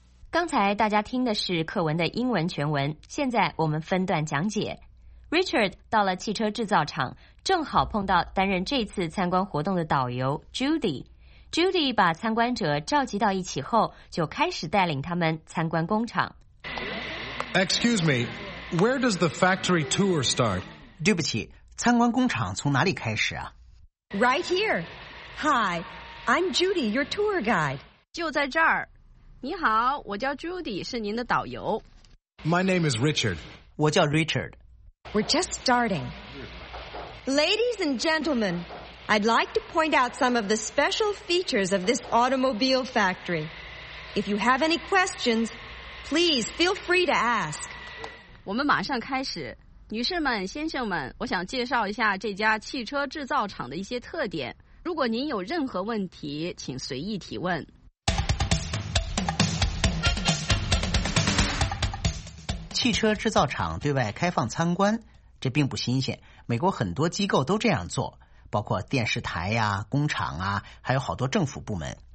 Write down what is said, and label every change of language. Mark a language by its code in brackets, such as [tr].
[zh] 刚才大家听的是课文的英文全文，现在我们分段讲解。 Richard 到了汽车制造厂，正好碰到担任这次参观活动的导游 Judy。 Judy 把参观者召集到一起后，就开始带领他们参观工厂。 [en] Excuse me, where does the factory tour start? [zh] 对不起，参观工厂从哪里开始啊？ [en] Right here. Hi, I'm Judy, your tour guide. [zh] 就在这儿。你好，我叫 Judy, 是您的导游。 [en] My name is Richard. [zh] 我叫 Richard. [en] We're just starting. Ladies and gentlemen, I'd like to point out some of the special features of this automobile factory. If you have any questions, please feel free to ask. [zh] 我们马上开始。女士们，先生们，我想介绍一下这家汽车制造厂的一些特点。如果您有任何问题，请随意提问。汽车制造厂对外开放参观，这并不新鲜，美国很多机构都这样做，包括电视台呀、工厂啊，还有好多政府部门。